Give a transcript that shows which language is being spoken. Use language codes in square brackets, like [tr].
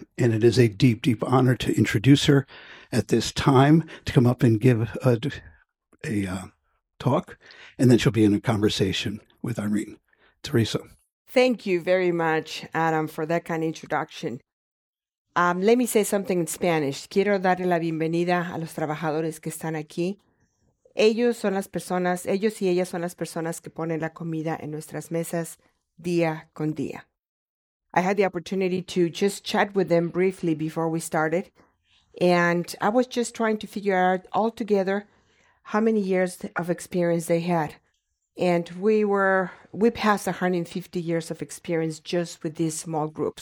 [en] And it is a deep, deep honor to introduce her at this time to come up and give a talk. And then she'll be in a conversation with Irene. Teresa. Thank you very much, Adam, for that kind introduction. Let me say something in Spanish. [es] Quiero darle la bienvenida a los trabajadores que están aquí. Ellos son las personas, ellos y ellas son las personas que ponen la comida en nuestras mesas día con día. [en] I had the opportunity to just chat with them briefly before we started, and I was just trying to figure out altogether how many years of experience they had. And we passed 150 years of experience just with this small group.